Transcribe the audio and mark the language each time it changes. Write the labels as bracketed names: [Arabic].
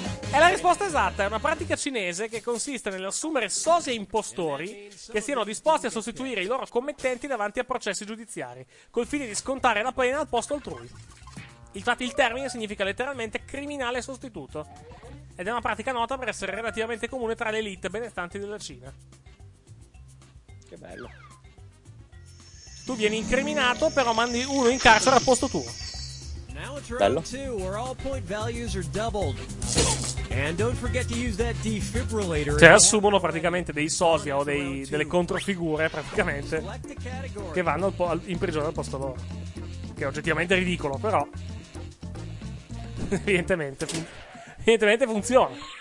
[Italian] È la risposta esatta, è una pratica cinese che consiste nell'assumere sosie impostori che siano disposti a sostituire i loro committenti davanti a processi giudiziari, col fine di scontare la pena al posto altrui. Infatti il termine significa letteralmente criminale sostituto, ed è una pratica nota per essere relativamente comune tra le elite benestanti della Cina. Che bello. Tu vieni incriminato, però mandi uno in carcere al posto tuo. [English] Now it's round two, where all point values are doubled. And don't forget to use that defibrillator. [Italian] Cioè, assumono praticamente dei sosia o dei, delle controfigure, praticamente, che vanno in prigione al posto loro. Che è oggettivamente ridicolo, però. Evidentemente, evidentemente funziona.